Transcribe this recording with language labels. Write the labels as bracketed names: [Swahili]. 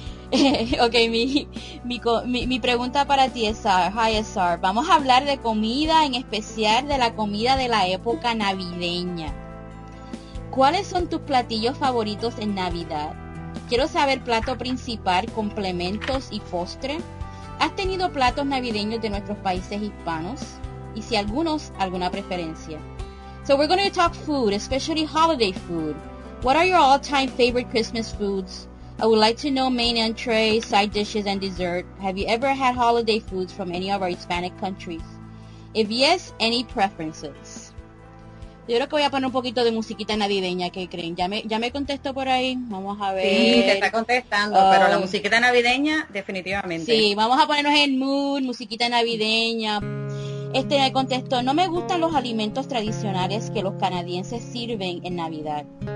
[Spanish] Okay, mi pregunta para ti es, hi César, vamos a hablar de comida, en especial de la comida de la época navideña. ¿Cuáles son tus platillos favoritos en Navidad? Quiero saber plato principal, complementos y postre. ¿Has tenido platos navideños de nuestros países hispanos? Y si algunos, alguna preferencia. [English] So we're going to talk food, especially holiday food. What are your all-time favorite Christmas foods? I would like to know main entree, side dishes and dessert. Have you ever had holiday foods from any of our Hispanic countries? If yes, any preferences? [Spanish] Yo creo que voy a poner un poquito de musiquita navideña, ¿qué creen? ¿Ya me contesto por ahí? Vamos a ver. Sí, te está contestando, pero la musiquita navideña, definitivamente. Sí, vamos a ponernos en mood, musiquita navideña. Me contestó, no me gustan los alimentos tradicionales que los canadienses sirven en Navidad.